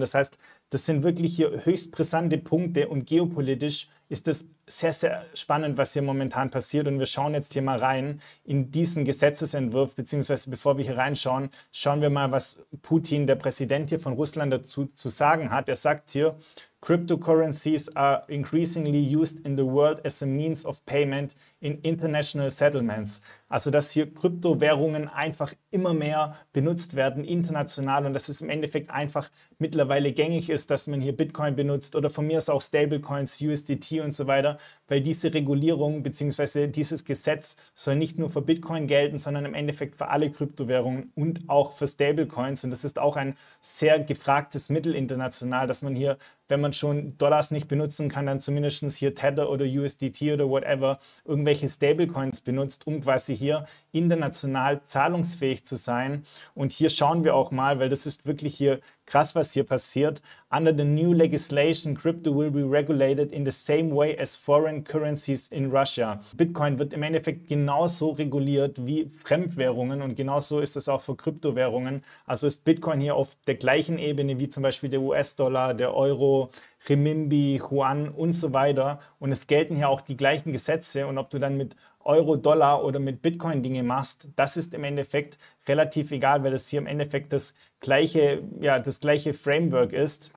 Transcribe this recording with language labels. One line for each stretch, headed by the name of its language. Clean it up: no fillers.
German: Das heißt, das sind wirklich hier höchst brisante Punkte und geopolitisch ist es sehr, sehr spannend, was hier momentan passiert. Und wir schauen jetzt hier mal rein in diesen Gesetzesentwurf, beziehungsweise bevor wir hier reinschauen, schauen wir mal, was Putin, der Präsident hier von Russland, dazu zu sagen hat. Er sagt hier,
English: Cryptocurrencies are increasingly used in the world as a means of payment in international settlements.
German: Also, dass hier Kryptowährungen einfach immer mehr benutzt werden, international, und dass es im Endeffekt einfach mittlerweile gängig ist, dass man hier Bitcoin benutzt oder von mir aus auch Stablecoins, USDT und so weiter, weil diese Regulierung bzw. dieses Gesetz soll nicht nur für Bitcoin gelten, sondern im Endeffekt für alle Kryptowährungen und auch für Stablecoins. Und das ist auch ein sehr gefragtes Mittel international, dass man hier, wenn man schon Dollars nicht benutzen kann, dann zumindest hier Tether oder USDT oder whatever, irgendwelche Stablecoins benutzt, um quasi hier international zahlungsfähig zu sein. Und hier schauen wir auch mal, weil das ist wirklich hier krass, was hier passiert.
English: Under the new legislation, crypto will be regulated in the same way as foreign currencies in Russia.
German: Bitcoin wird im Endeffekt genauso reguliert wie Fremdwährungen und genauso ist es auch für Kryptowährungen. Also ist Bitcoin hier auf der gleichen Ebene wie zum Beispiel der US-Dollar, der Euro, Renminbi, Yuan und so weiter. Und es gelten hier auch die gleichen Gesetze und ob du dann mit Euro, Dollar oder mit Bitcoin Dinge machst, das ist im Endeffekt relativ egal, weil das hier im Endeffekt das gleiche Framework ist.